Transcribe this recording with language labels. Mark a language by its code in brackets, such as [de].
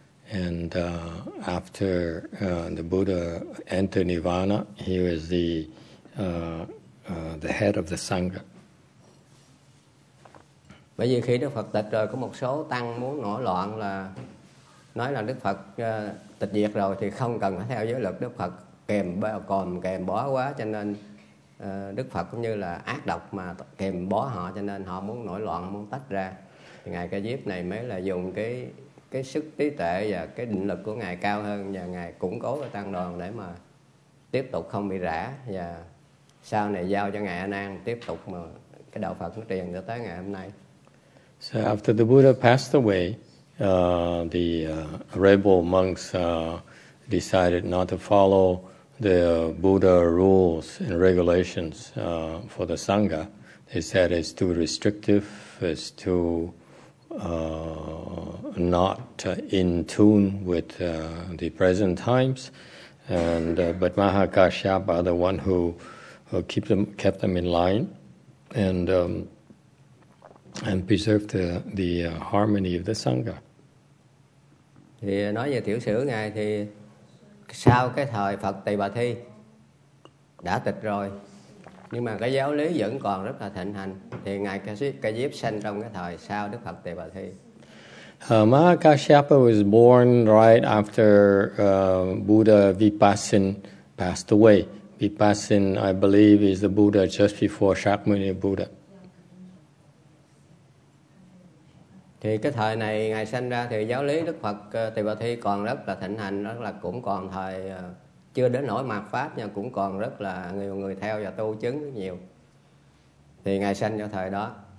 [en] And after the Buddha entered Nirvana, he was the head of the Sangha. [vi] Bởi vì khi Đức Phật tịch rồi, có một số tăng muốn nổi loạn là nói là Đức Phật tịch diệt rồi thì không cần phải theo giới luật Đức Phật, kèm bó quá, cho nên Đức Phật cũng như là ác độc mà kèm bó họ, cho nên họ muốn nổi loạn, muốn tách ra. Thì ngài Ca Diếp này mới là dùng cái sức trí tuệ và cái định lực của ngài cao hơn, và ngài củng cố cái tăng đoàn để mà tiếp tục không bị rã, và sau này giao cho ngài A Nan tiếp tục mà cái đạo Phật nó truyền cho tới ngày hôm nay. [en] So after the Buddha passed away, the rebel monks decided not to follow the Buddha rules and regulations for the Sangha. They said it's too restrictive, it's too not in tune with the present times, but Mahakashyapa are the one who kept them in line and preserved the harmony of the Sangha. [vi] Thì nói về tiểu sử ngài thì sau cái thời Phật Tỳ Bà Thi đã tịch rồi, nhưng mà cái giáo lý vẫn còn rất là thịnh hành. Thì ngài Ca Diếp sanh trong cái thời sau Đức Phật Tỳ Bà Thi. [en] Mahakashyapa was born right after Buddha Vipassana passed away. Vipassana, I believe, is the Buddha just before Shakyamuni Buddha. [vi] Thì cái thời này ngài sanh ra thì giáo lý Đức Phật Tỳ Bà Thi còn rất là thịnh hành, rất là cũng còn thời chưa đến nỗi mạt pháp, nhưng cũng còn rất là nhiều người theo và tu chứng nhiều. Thì ngài sanh vào thời đó.